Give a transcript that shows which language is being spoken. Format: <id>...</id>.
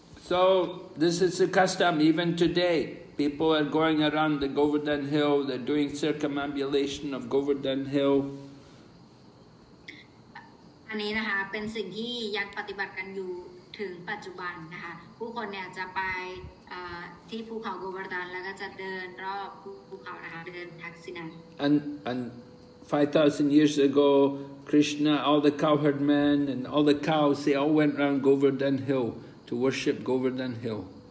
<en>So this is the custom even today. People are going around the Govardhan Hill, they're doing circumambulation of Govardhan Hill.</en> <th>อันนี้นะคะเป็นสิ่งที่ยังปฏิบัติกันอยู่ถึงปัจจุบันนะคะผู้คนเนี่ยจะไปที่ภูเขาโกวาร์ดานแล้วก็จะเดินรอบภูเขานะคะเดินทักษิณา</th> <en>and 5,000 years ago Krishna all the cowherd men and all the cows they all went round Govardhan Hill to worship Govardhan Hill</en>